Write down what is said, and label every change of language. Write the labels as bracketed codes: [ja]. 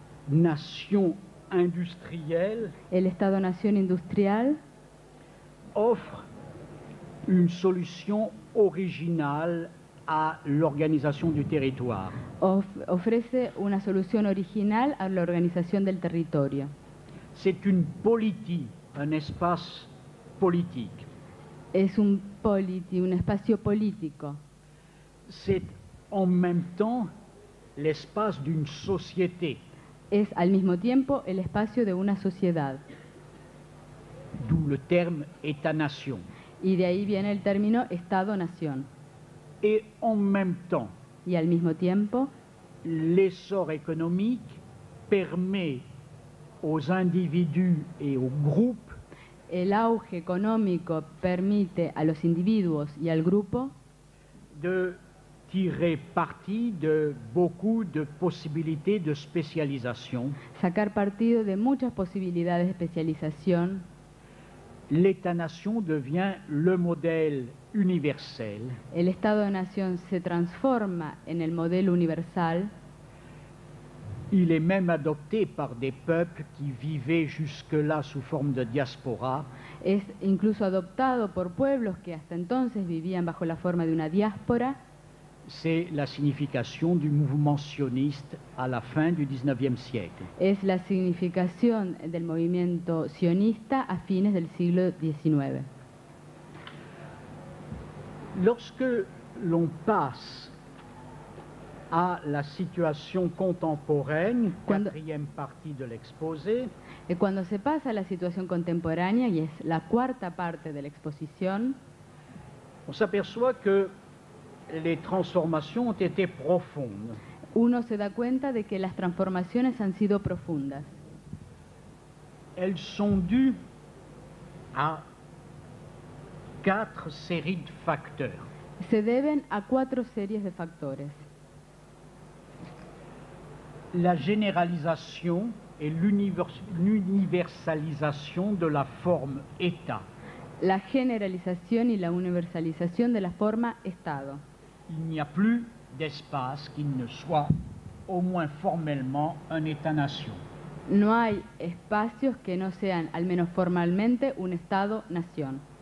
[fr] L'État-nation industrielle, [es] el Estado-nation industrial, [fr] offre une solution originale à l'organisation du territoire. [es] Ofrece una solución original a la organización del territorio. [fr] C'est une polity, un espace politique. [es] Es un polity, un espacio político. [fr] C'est en même temps l'espace d'une société. [es] Es al mismo tiempo el espacio de una sociedad. [fr] D'où le terme État-nation. [es] Y de ahí viene el término Estado-nación. [fr] Et en même temps, [es] y al mismo tiempo, [fr] l'essor économique permet aux individus et aux groupes, [es] el auge económico permite a los individuos y al grupo, [fr] de tirer parti de beaucoup de possibilités de spécialisation. [es] Sacar partido de muchas posibilidades de especialización. [fr] L'État-nation devient le modèle universel. [es] El Estado-nación se transforma en el modelo universal. [fr] Il est même adopté par des peuples qui vivaient jusque-là sous forme de diaspora. [es] Es incluso adoptado por pueblos que hasta entonces vivían bajo la forma de una diáspora. [fr] C'est la signification du mouvement sioniste à la fin du 19e siècle. [es] Es la significación del movimiento sionista a fines del siglo XIX. [fr] Lorsque l'on passe à la situation contemporaine, quatrième partie de l'exposé, [es] et cuando se pasa a la situación contemporánea y es la cuarta parte de la exposición, [fr] on s'aperçoit que les transformations ont été profondes. [es] Uno se da cuenta de que las transformaciones han sido profundas. [fr] Elles sont dues à quatre séries de facteurs. [es] Se deben a cuatro series de factores. [fr] La généralisation et l'universalisation de la forme État. [es] La generalización y la universalización de la forma Estado. [fr] Il n'y a plus d'espace qui ne soit au moins formellement un État-nation. [es] No hay espacios que no sean al menos formalmente un Estado-nación.